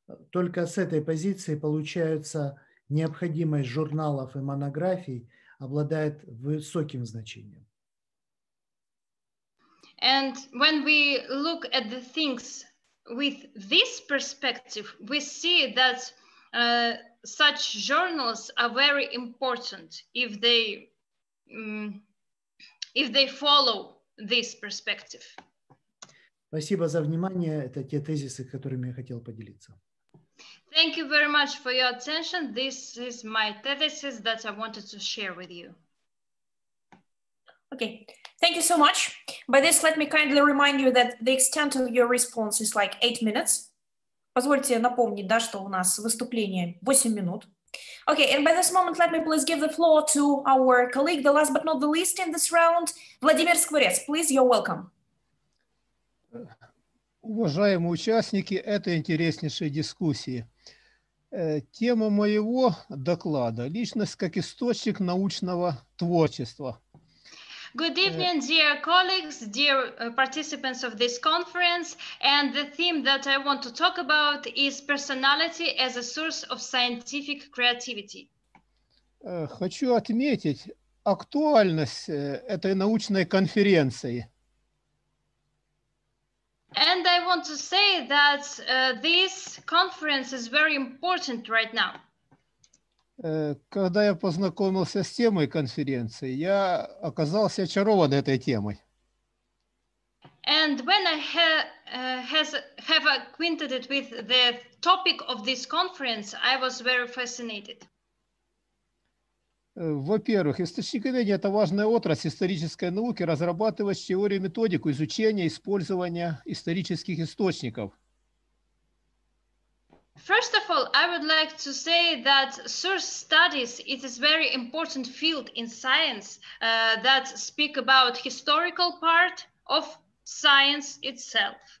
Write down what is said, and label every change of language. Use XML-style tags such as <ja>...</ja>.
<ru>Только с этой позиции получается необходимость журналов и монографий обладает высоким значением.</ru> <en>And when we look at the things with this perspective, we see that such journals are very important if they follow this perspective.</en> <ru>Спасибо за внимание. Это те тезисы, которыми я хотел поделиться.</ru> <en>Thank you very much for your attention. This is my thesis that I wanted to share with you. Okay, thank you so much. By this, let me kindly remind you that the extent of your response is like 8 minutes.</en> <ru>Позвольте напомнить, да, что у нас выступление 8 минут.</ru> <en>Okay, and by this moment, let me please give the floor to our colleague, the last but not the least in this round, Vladimir Skvorets. Please, you're welcome.</en> <ru>Уважаемые участники этой интереснейшей дискуссии, тема моего доклада – личность как источник научного творчества.</ru> <en>Good evening, dear colleagues, dear participants of this conference, and the theme that I want to talk about is personality as a source of scientific creativity.</en> <ru>Хочу отметить актуальность этой научной конференции.</ru> <en>And I want to say that this conference is very important right now.</en> <ru>Когда я познакомился с темой конференции, я оказался очарован этой темой.</ru> <en>And when I have acquainted it with the topic of this conference, I was very fascinated.</en> <ru>Во-первых, источниковедение – это важная отрасль исторической науки, разрабатывающая теорию и методику изучения и использования исторических источников.</ru> <en>First of all, I would like to say that source studies it is a very important field in science that speak about historical part of science itself.</en>